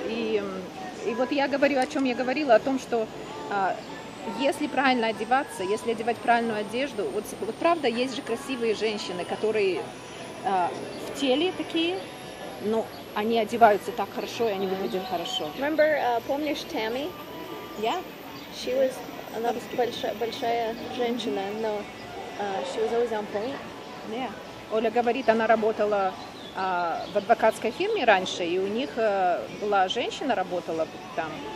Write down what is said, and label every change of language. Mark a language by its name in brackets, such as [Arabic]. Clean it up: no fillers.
[Russian] И вот я говорю, о чем я говорила, о том, что если правильно одеваться, если одевать правильную одежду, вот правда, есть же красивые женщины, которые в теле такие, но они одеваются так хорошо, и они выглядят хорошо. [English] Remember, [Russian] помнишь [English] Tammy? Yeah. She was, [Russian] она большая женщина, но [English] she was always on point. Yeah. [Russian] Оля говорит, она работала в адвокатской фирме раньше, и у них была женщина, работала там.